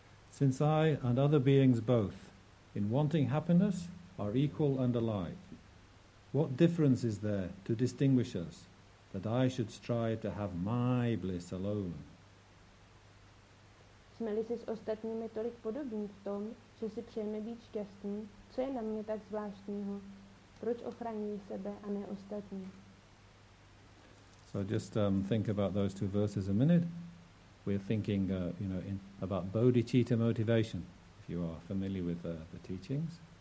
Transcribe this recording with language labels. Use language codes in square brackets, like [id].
[en] Since I and other beings both, in wanting happiness, are equal and alike, what difference is there to distinguish us? That I should strive to have my bliss alone. [cs] Jsme-li si s ostatními tolik podobní v tom, že si přejeme být šťastný, co je na mě tak zvláštního? Proč ochraňuji sebe a ne ostatní? [en] So just think about those two verses a minute. We're thinking about bodhicitta motivation, if you are familiar with the teachings.